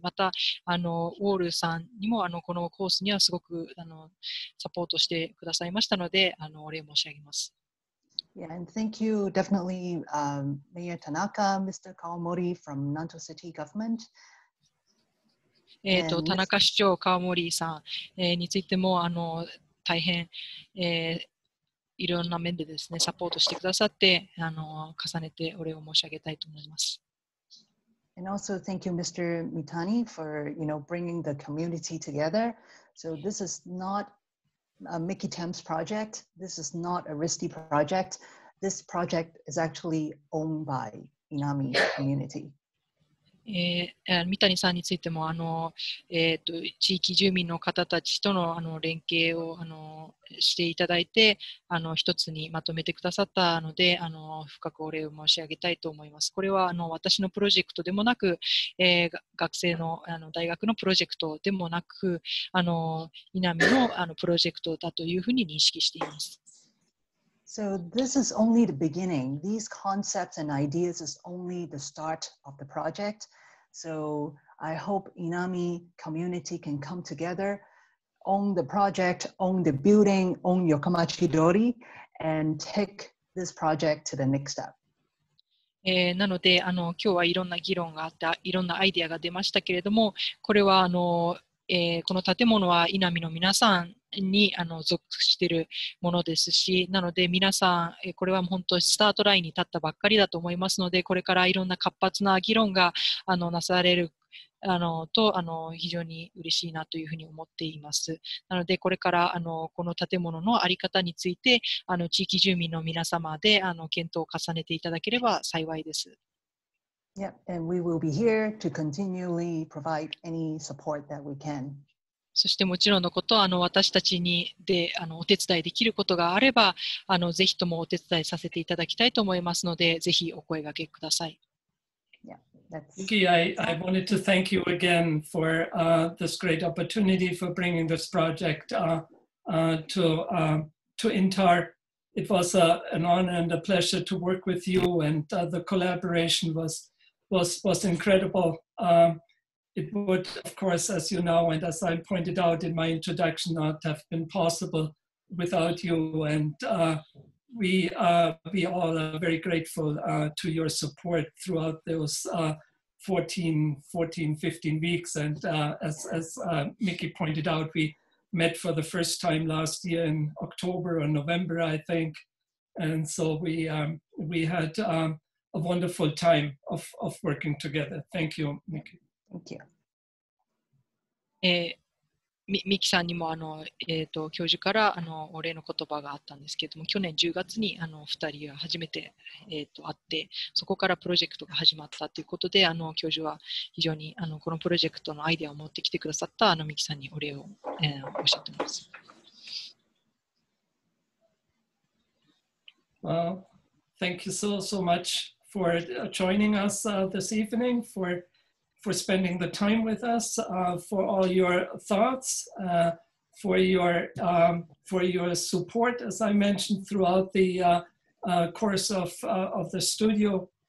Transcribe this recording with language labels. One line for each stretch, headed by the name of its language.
Japanese: またウォールさんにもこのコースにはすごくサポートしてくださいましたのでお礼申し上げます。
English: Yeah, and thank you, definitely, Mayor Tanaka, Mr. Kawamori from Nanto City Government.
Japanese: Tanaka 市長Kawamori さん、についても、大変、いろんな面でですね、サポートしてくださって、重ねてお礼を申し上げたいと思います。
English: And also thank you, Mr. Mitani, for, you know, bringing the community together. So this is not a Mickey Temps project. This is not a RISD project. This project is actually owned by Inami community.
Japanese: Mitani さんについても、地域住民の方たちとの、連携を、していただいて、一つにまとめてくださったので、深くお礼を申し上げたいと思います。これは、私のプロジェクトでもなく、学生の、大学のプロジェクトでもなく、Inami の、プロジェクトだというふうに認識しています。
English: So this is only the beginning. These concepts and ideas is only the start of the project. So I hope Inami community can come together, own the project, own the building, own Yokomachi Dori, and take this project to the next step.
Japanese: なので、今日はいろんな議論があった、いろんなアイデアが出ましたけれども、これは、この建物は Inami の皆さんに属しているものですし、なので皆さん、これは本当スタートラインに立ったばっかりだと思いますので、これからいろんな活発な議論がなされると、非常に嬉しいなというふうに思っています。なので、これからこの建物の在り方について、地域住民の皆様で検討を重ねていただければ幸いです。
English: Yep, and we will be here to continually provide any support that we can.
Japanese: そしてもちろんのこと、私たちにでお手伝いできることがあれば、ぜひともお手伝いさせていただきたいと思いますので、ぜひお声掛けください。
English: Vicky, I wanted to thank you again for this great opportunity for bringing this project to Intar. It was an honor and a pleasure to work with you, and the collaboration was incredible. It would, of course, as you know, and as I pointed out in my introduction, not have been possible without you. And we all are very grateful to your support throughout those 14, 15 weeks. And as Mickey pointed out, we met for the first time last year in October or November, I think. And so we had a wonderful time of working together. Thank you, Mickey. Thank you.
Japanese: ミキさんにも教授からお礼の言葉があったんですけれども、去年10月に2人が初めて、会って、そこからプロジェクトが始まったということで、教授は非常にこのプロジェクトのアイデアを持ってきてくださったミキさんにお礼を、おっしゃっています。
English: Well, thank you so much for joining us this evening for spending the time with us, for all your thoughts, for your support, as I mentioned, throughout the course of the studio.